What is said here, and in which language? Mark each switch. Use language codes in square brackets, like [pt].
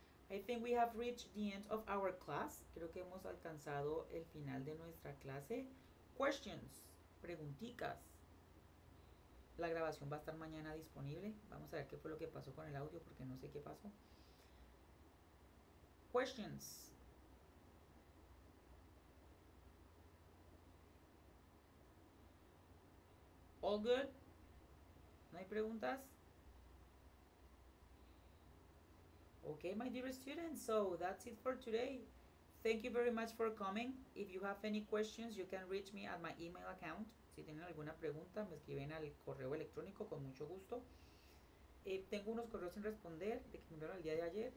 [en] I think we have reached the end of our class. [es] Creo que hemos alcanzado el final de nuestra clase. [en] Questions, [es] pregunticas. La grabación va a estar mañana disponible. Vamos a ver qué fue lo que pasó con el audio porque no sé qué pasó. [en] Questions. All good? [es] ¿No hay preguntas? [en] Okay, my dear students, so that's it for today. Thank you very much for coming. If you have any questions, you can reach me at my email account. [es] Si tienen alguna pregunta, me escriben al correo electrónico con mucho gusto. Tengo unos correos sin responder de que me enviaron el día de ayer.